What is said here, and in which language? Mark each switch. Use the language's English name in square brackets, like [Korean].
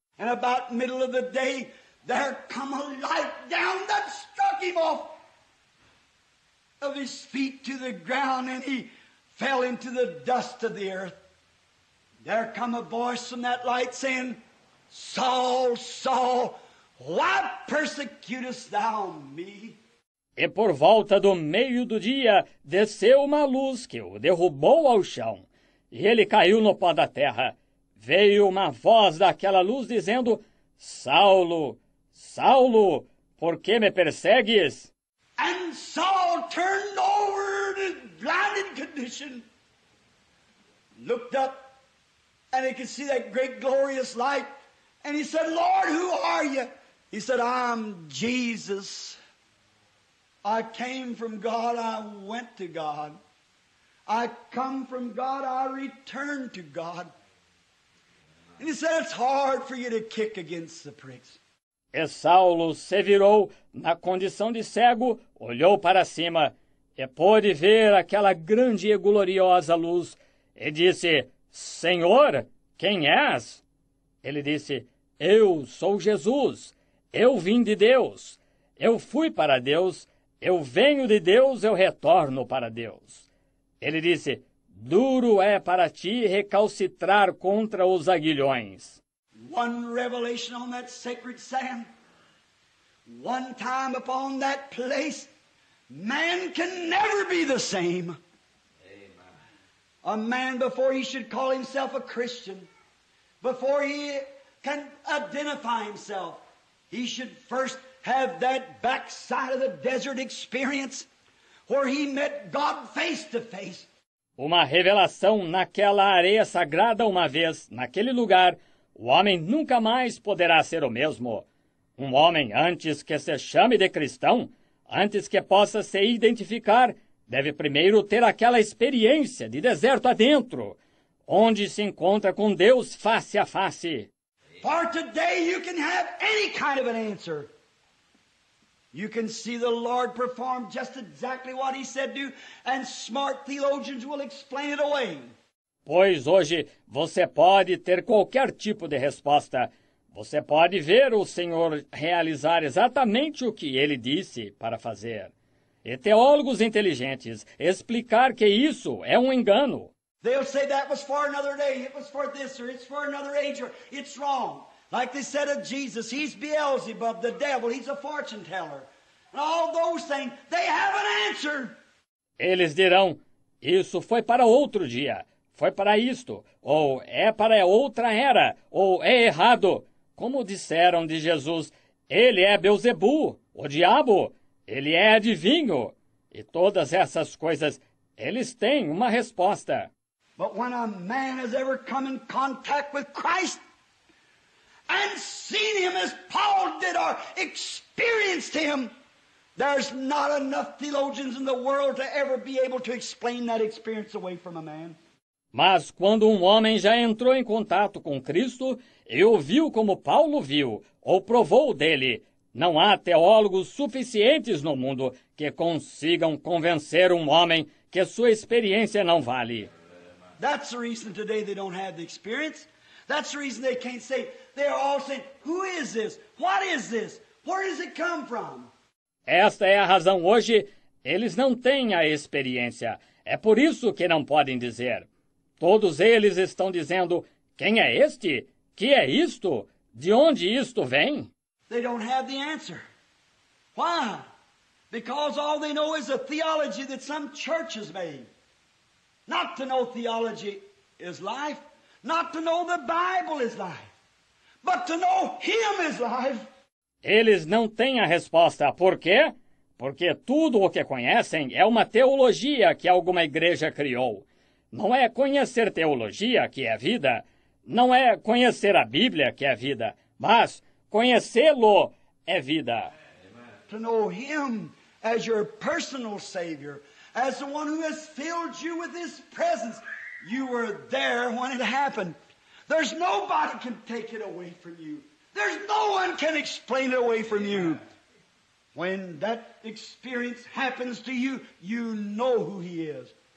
[English] And about middle of the day, there come a light down that struck him off of his feet to the ground, and he fell into the dust of the earth. There come a voice from that light saying, Saul, Saul, why persecutest thou me? [Portuguese] E por volta do meio do dia, desceu uma luz que o derrubou ao chão, e ele caiu no pó da terra. Veio uma voz daquela luz dizendo, Saulo, Saulo, por que me persegues? [English] And Saul turned over in his blinded condition, looked up, and he could see that great glorious light, and he said, Lord, who are you? He said, I'm Jesus. I came from God, I went to God. I come from God, I return to God. And he said, it's hard for you to kick against the pricks. [Portuguese] E Saulo se virou na condição de cego, olhou para cima e pôde ver aquela grande e gloriosa luz e disse, Senhor, quem és? Ele disse, eu sou Jesus, Eu vim de Deus. Eu fui para Deus. Eu venho de Deus. Eu retorno para Deus. Ele disse, duro é para ti recalcitrar contra os aguilhões. [English] One revelation on that sacred sand. One time upon that place. Man can never be the same. A man, before he should call himself a Christian, before he can identify himself, he should first have that backside of the desert experience where he met God face to face. [Portuguese] Uma revelação naquela areia sagrada uma vez, naquele lugar, o homem nunca mais poderá ser o mesmo. Um homem, antes que se chame de cristão, antes que possa se identificar, deve primeiro ter aquela experiência de deserto adentro, onde se encontra com Deus face a face. [English] For today you can have any kind of an answer. You can see the Lord perform just exactly what he said do, and smart theologians will explain it away. [Portuguese] Pois hoje você pode ter qualquer tipo de resposta. Você pode ver o Senhor realizar exatamente o que ele disse para fazer. E teólogos inteligentes explicar que isso é um engano. [English] They'll say that was for another day, it was for this, or it's for another age, or it's wrong. Like they said of Jesus, he's Beelzebub, the devil, he's a fortune teller. And all those things, they have an answer. [Portuguese] Eles dirão, isso foi para outro dia, foi para isto, ou é para outra era, ou é errado. Como disseram de Jesus, ele é Beelzebu, o diabo. Ele é adivinho. E todas essas coisas, eles têm uma resposta. [English] But when a man has ever come in contact with Christ and seen him as Paul did or experienced him, there's not enough theologians in the world to ever be able to explain that experience away from a man. [Portuguese] Mas quando um homem já entrou em contato com Cristo e o viu como Paulo viu, ou provou dele, não há teólogos suficientes no mundo que consigam convencer um homem que sua experiência não vale. [English] That's the reason today they don't have the experience. That's the reason they can't say, they're all saying, who is this? What is this? Where does it come from? [Portuguese] Esta é a razão hoje, eles não têm a experiência. É por isso que não podem dizer. Todos eles estão dizendo, quem é este? Que é isto? De onde isto vem? [English] They don't have the answer. Why? Because all they know is a theology that some church has made. Not to know theology is life. Not to know the Bible is life. But to know Him is life. [Portuguese] Eles não têm a resposta. Por quê? Porque tudo o que conhecem é uma teologia que alguma igreja criou. Não é conhecer teologia que é vida. Não é conhecer a Bíblia que é vida. Mas conhecê-lo é vida. [English] To know him as your personal savior, as the one who has filled you with his presence. You were there when it happened. There's nobody can take it away from you. There's no one can explain it away from you. When that experience happens to you, you know who he is.